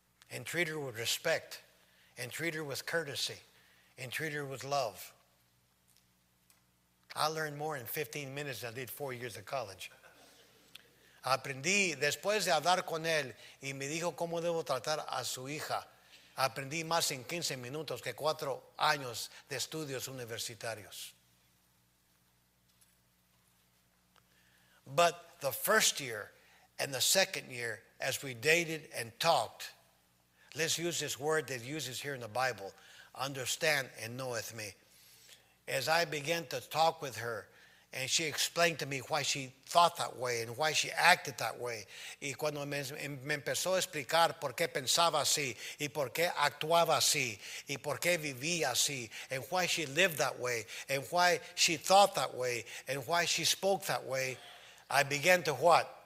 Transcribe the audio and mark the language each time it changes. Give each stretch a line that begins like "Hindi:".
English: and treat her with respect, and treat her with courtesy, and treat her with love. I learned more in 15 minutes than I did 4 years of college.
Spanish: Aprendí después de hablar con él y me dijo cómo debo tratar a su hija. Aprendí más en 15 minutos que 4 años de estudios universitarios.
English: But the first year and the second year, as we dated and talked, let's use this word that uses here in the Bible, understand and knoweth me. As I began to talk with her, and she explained to me why she thought that way and why she acted that way.
Spanish: Y cuando me empezó a explicar por qué pensaba así y por qué actuaba así y por qué vivía así
English: and why she lived that way and why she thought that way and why she spoke that way, I began to what?